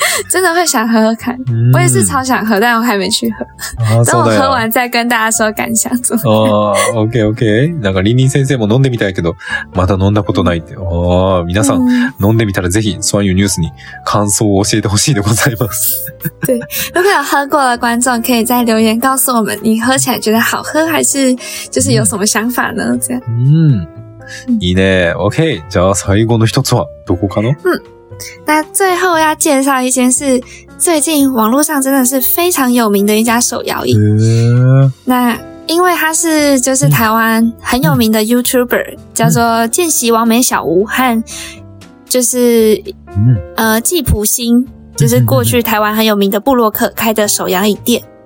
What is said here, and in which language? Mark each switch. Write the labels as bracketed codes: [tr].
[zh] 真的会想喝喝看我也是超想喝但我还没去喝等我喝完再跟大家说感想怎么样 [ja] OK OK なんかリンリン先生も飲んでみたいけどまだ飲んだことないってあ皆さん飲んでみたらぜひソワユニュースに感想を教えてほしいでございます [zh] 对如果有喝过的观众可以在留言告诉我们你喝起来觉得好喝还是就是有什么想法呢这 [ja] 样嗯いいね OK じゃあ最後の一つはどこかな [zh] 那最后要介绍一间是最近网络上真的是非常有名的一家手摇饮。那因为他是就是台湾很有名的 YouTuber, 叫做见习王美小吴和就是季普星就是过去台湾很有名的部落客开的手摇饮店。